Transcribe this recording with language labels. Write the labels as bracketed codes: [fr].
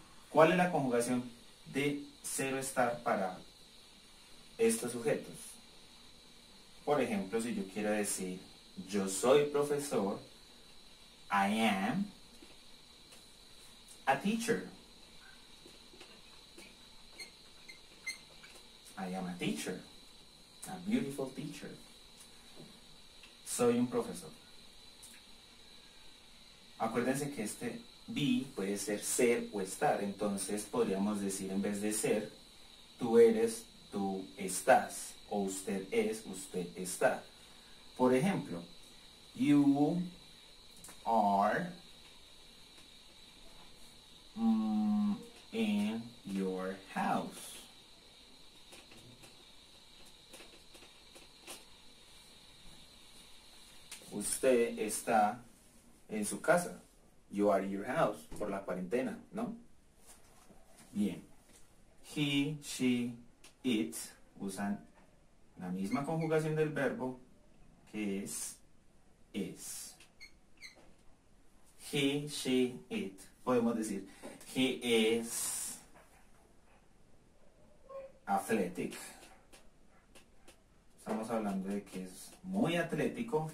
[es] ¿Cuál es la conjugación de ser o estar para estos sujetos? Por ejemplo, si yo quiero decir yo soy profesor, [en] I am a teacher. I am a teacher, a beautiful teacher. [es] Soy un profesor. Acuérdense que este be puede ser ser o estar. Entonces podríamos decir en vez de ser, tú eres, tú estás. O usted es, usted está. Por ejemplo, [en] you are in your house. [es] Usted está en su casa. [en] You are in your house [es] por la cuarentena, ¿no? Bien. He, she, it usan la misma conjugación del verbo que es is. [en] He, she, it. [es] Podemos decir, [en] he is athletic. [es] Estamos hablando de que es muy atlético.